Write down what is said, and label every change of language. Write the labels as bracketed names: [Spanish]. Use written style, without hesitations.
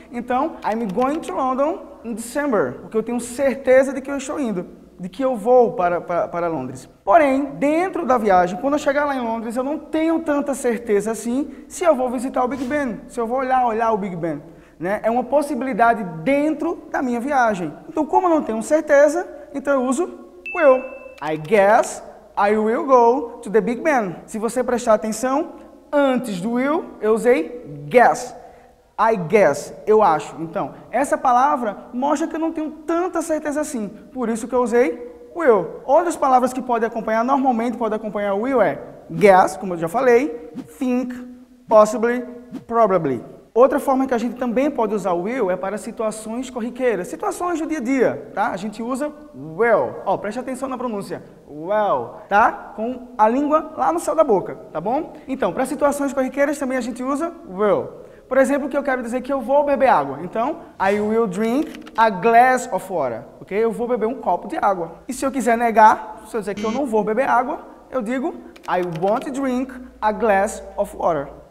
[Portuguese] Então, [English] I'm going to London in December, [Portuguese] porque eu tenho certeza de que eu estou indo, de que eu vou para Londres. Porém, dentro da viagem, quando eu chegar lá em Londres, eu não tenho tanta certeza assim se eu vou visitar o Big Ben, se eu vou olhar o Big Ben, né? É uma possibilidade dentro da minha viagem. Então, como eu não tenho certeza, então eu uso will. [English] I guess I will go to the Big Ben. [Portuguese] Se você prestar atenção, antes do will, eu usei guess. [English] I guess, [Portuguese] eu acho. Então, essa palavra mostra que eu não tenho tanta certeza assim. Por isso que eu usei will. Outras palavras que podem acompanhar, normalmente podem acompanhar o will é guess, como eu já falei, think, possibly, probably. Outra forma que a gente também pode usar o will é para situações corriqueiras, situações do dia a dia, tá? A gente usa will. Ó, preste atenção na pronúncia. Well, tá? Com a língua lá no céu da boca, tá bom? Então, para situações corriqueiras também a gente usa will. Por exemplo, que eu quero dizer que eu vou beber água. [English] Então, I will drink a glass of water. Ok? [Portuguese] Eu vou beber um copo de água. E se eu quiser negar, se eu dizer que eu não vou beber água, eu digo [English] I won't drink a glass of water.